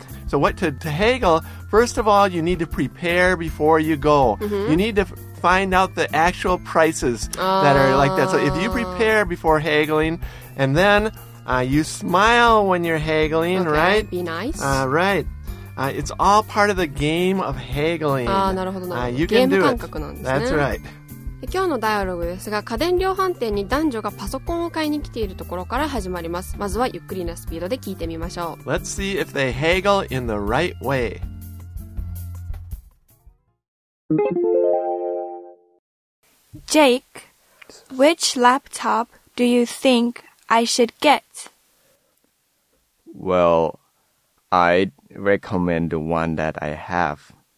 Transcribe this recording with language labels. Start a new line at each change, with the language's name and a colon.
English: So what to haggle, first of all, you need to prepare before you go. Mm-hmm. You need to find out the actual prices that are like that. So if you prepare before haggling, and then you smile when you're haggling, right? Be nice. Right. It's all part of the game of haggling.
Japanese: なるほど、なるほど。
English: You can do it.
Japanese: ゲーム感覚なんですね。
English: That's right.
Japanese: 今日のダイアログですが、家電量販店に男女がパソコンを買いに来ているところから始まります。まずはゆっくりなスピードで聞いてみましょう。
English: Let's see if they haggle in the right way. Jake, which laptop do you think I should get? Well, I'd recommend the one that I have.